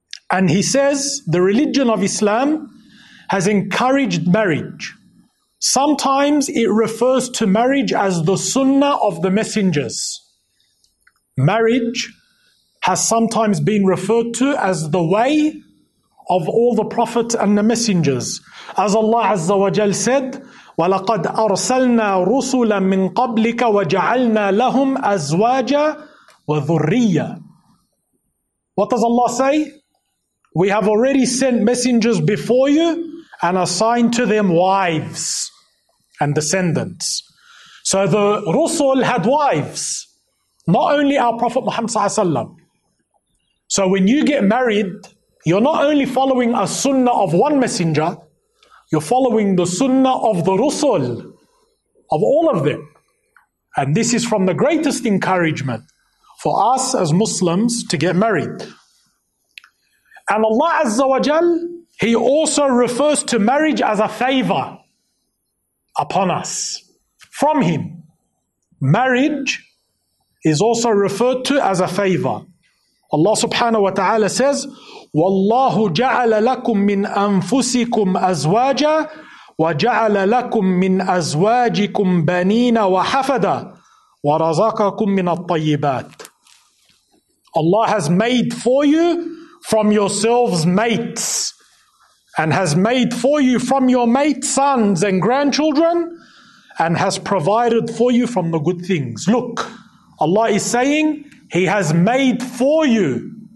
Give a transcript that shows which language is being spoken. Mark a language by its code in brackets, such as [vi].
[en] And he says, the religion of Islam has encouraged marriage. Sometimes it refers to marriage as the sunnah of the messengers. Marriage has sometimes been referred to as the way of all the prophets and the messengers. As Allah Azza wa Jal said, [ar] وَلَقَدْ أَرْسَلْنَا رُسُلًا مِّن قَبْلِكَ وَجَعَلْنَا لَهُمْ أَزْوَاجًا وَذُرِّيَّةً. [en] What does Allah say? We have already sent messengers before you and assigned to them wives and descendants. So the Rusul had wives, not only our Prophet Muhammad Sallallahu Alaihi Wasallam. So when you get married, you're not only following a sunnah of one messenger, you're following the sunnah of the Rusul, of all of them. And this is from the greatest encouragement for us as Muslims to get married. And Allah Azza wa Jal, He also refers to marriage as a favor upon us from Him. Marriage is also referred to as a favor. Allah subhanahu wa ta'ala says, [ar] وَاللَّهُ جَعَلَ لَكُم مِّنْ أَنفُسِكُمْ أَزْوَاجًا وَجَعَلَ لَكُم مِّنْ أَزْوَاجِكُمْ بَنِينَ وَحَفَدًا وَرَزَقَكُم مِّنَ الطَّيِّبَاتِ. [en] Allah has made for you from yourselves mates, and has made for you from your mates sons and grandchildren, and has provided for you from the good things. Look, Allah is saying, He has made for you.